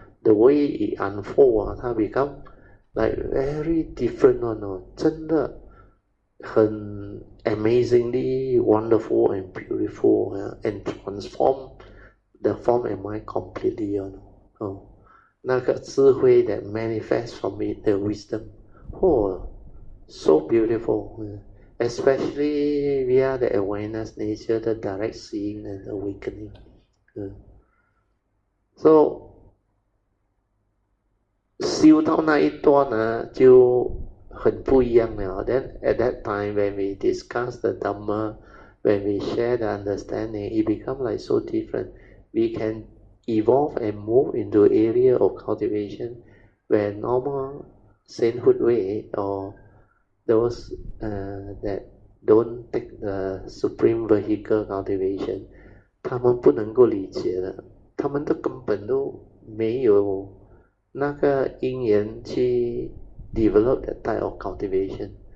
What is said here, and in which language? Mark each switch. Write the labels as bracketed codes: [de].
[en] The way it unfold [zh] 啊，它 [en] become like very different [zh] 了哦，真的很 [en] amazingly wonderful and beautiful 啊 ，and transform the form and mind completely 了哦。 [zh] 那个智慧 [en] that manifests from it, the wisdom, So beautiful, especially via the awareness nature, the direct seeing and awakening. [zh] So, 修到那一段呢，就很不一样了。 [en] Then at that time, when we discuss the Dhamma, when we share the understanding, it becomes like so different. We can evolve and move into area of cultivation where normal sainthood way orThose that don't take the supreme vehicle cultivation, [zh] 他们不能够理解的，他们都根本都没有那个因缘去 [en] develop that type of cultivation.